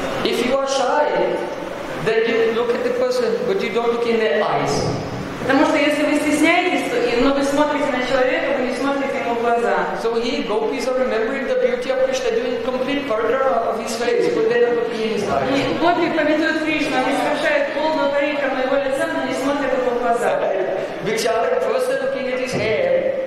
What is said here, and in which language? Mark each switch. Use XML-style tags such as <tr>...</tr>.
<en>If you are shy, then you look at the person, but you don't look in their eyes.</en> <ru>Потому что если вы стесняетесь, но вы смотрите на человека, вы не смотрите ему в глаза.</ru> <en>So he, gopis are remembering the beauty of Krishna, doing complete paragraph of his face, but they're not looking in his eyes.</en> <ru>И гопи памятуют Кришну, они совершают полную парикраму на его лице, но не смотрят ему в глаза.</ru> <en>Which are the first looking at his hair.</en>